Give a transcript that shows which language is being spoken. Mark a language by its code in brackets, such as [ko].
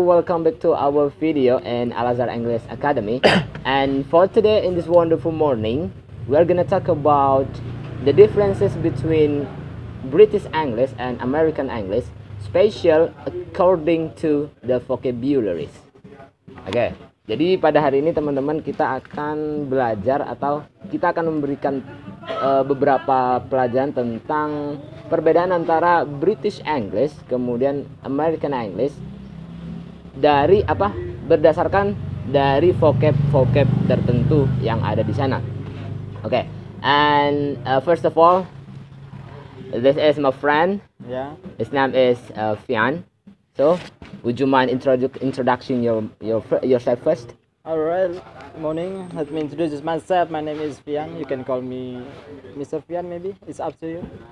[en] Welcome back to our video in Al-Azhar English Academy. And for today, in this wonderful morning, we are gonna talk about the differences between British English and American English, special according to the vocabularies. [id] Okay, jadi pada hari ini teman-teman kita akan belajar atau kita akan memberikan beberapa pelajaran tentang perbedaan antara British English kemudian American English dari apa berdasarkan dari vocab tertentu yang ada di sana. Oke, okay. [en] And first of all, this is my friend. Yeah. His name is Fian. So, would you mind introduction yourself first? Alright, morning. Let me introduce myself. My name is Fian. You can call me Mr. Fian, maybe. It's up to you.